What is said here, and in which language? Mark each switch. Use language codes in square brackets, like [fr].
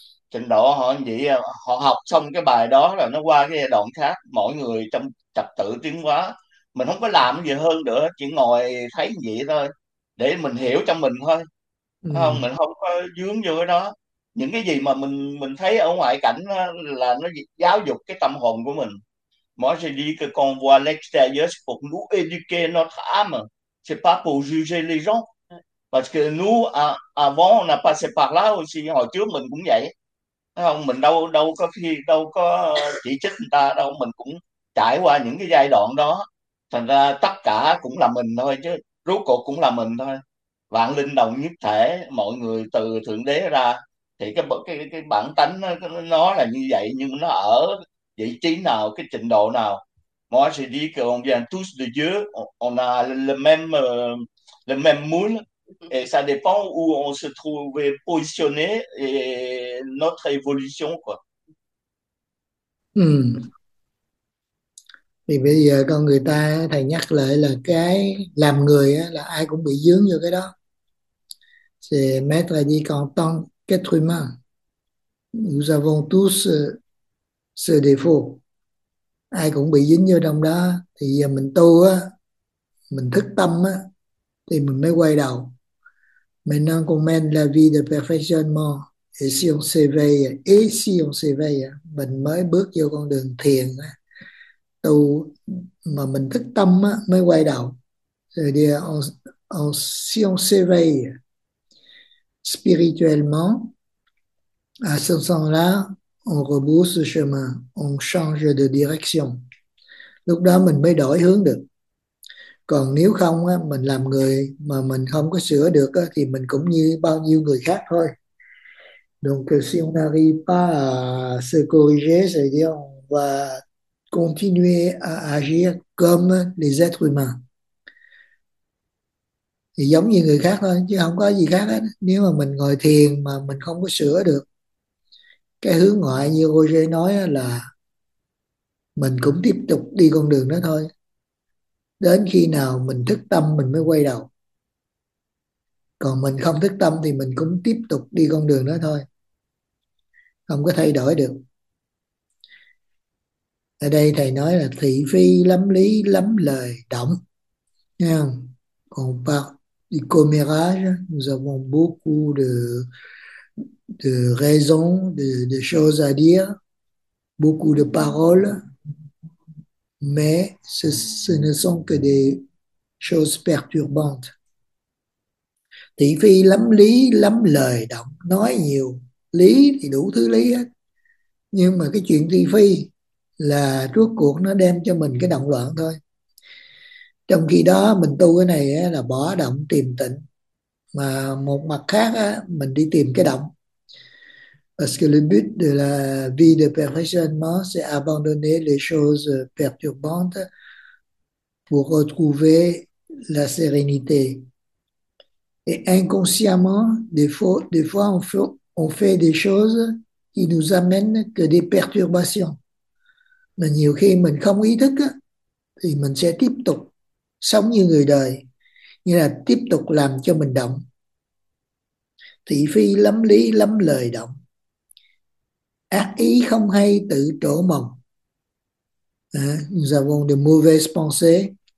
[vi] Trình độ họ vậy, họ học xong cái bài đó rồi nó qua cái giai đoạn khác, mỗi người trong trật tự tiến hóa. Mình không có làm gì hơn nữa, chỉ ngồi thấy vậy thôi, để mình hiểu trong mình thôi, phải không? Mình không có dướng vô đó. Những cái gì mà mình thấy ở ngoại cảnh là nó giáo dục cái tâm hồn của mình. [fr] Moi je dis que quand on voit l'extérieur, c'est pour nous éduquer notre âme, c'est pas pour juger les gens, parce que nous avant on a passé par là aussi. [vi] Hồi trước mình cũng vậy, phải không? Mình đâu đâu có khi đâu có chỉ trích người ta đâu, mình cũng trải qua những cái giai đoạn đó. Thành ra tất cả cũng là mình thôi, chứ rốt cuộc cũng là mình thôi. Vạn linh đồng nhất thể, mọi người từ Thượng Đế ra thì cái bản tánh nó là như vậy, nhưng nó ở vị trí nào, cái trình độ nào. [fr] Moi je dis que on vient tous de Dieu, on a le même moule, et ça dépend où on se trouvait positionné et notre évolution, quoi. [vi] Thì bây giờ con người ta thầy nhắc lại là cái làm người á, là ai cũng bị dướng vô cái đó. [fr] C'est maître a dit qu'en tant qu'être humain, nous avons tous ce défaut. [vi] Ai cũng bị dính vô trong đó. Thì giờ mình tu á, mình thức tâm á, thì mình mới quay đầu. [fr] Maintenant qu'on mène la vie de perfectionnement, et si on s'éveille, [vi] mình mới bước vô con đường thiền tu, mà mình thức tâm á, mới quay đầu. Rồi đi [fr] à ce sens-là, on rebrousse le chemin, on change de direction. [vi] Lúc đó mình mới đổi hướng được. Còn nếu không á, mình làm người mà mình không có sửa được á, thì mình cũng như bao nhiêu người khác thôi. [fr] Donc, si on n'arrive pas à se corriger, c'est-à-dire on va continuer à agir comme les êtres humains. [vi] Thì giống như người khác thôi, chứ không có gì khác hết. Nếu mà mình ngồi thiền mà mình không có sửa được cái hướng ngoại như Roger nói là mình cũng tiếp tục đi con đường đó thôi. Đến khi nào mình thức tâm mình mới quay đầu. Còn mình không thức tâm thì mình cũng tiếp tục đi con đường đó thôi. Không có thay đổi được. Ở đây thầy nói là thị phi lắm lý lắm lời động. Nghe không? [fr] Còn pas du commérage, nous avons beaucoup de raisons, de choses à dire, beaucoup de paroles, mais ce ne sont que des choses perturbantes. [vi] Thị phi lắm lý lắm lời động, nói nhiều lý thì đủ thứ lý hết, nhưng mà cái chuyện thị phi là rốt cuộc nó đem cho mình cái động loạn thôi. Trong khi đó mình tu cái này là bỏ động tìm tịnh, mà một mặt khác mình đi tìm cái động. [fr] Parce que le but de la vie de perfectionnement, c'est abandonner les choses perturbantes pour retrouver la sérénité. Et inconsciemment, des fois, on fait des choses qui nous amènent que des perturbations. [vi] Mais nhiều khi mình không ý thức á, thì mình sẽ tiếp tục sống như người đời, như là tiếp tục làm cho mình động. Thị phi lắm lý lắm lời động. Ác ý không hay tự trổ mồm. [fr] Nous avons de mauvaises pensées.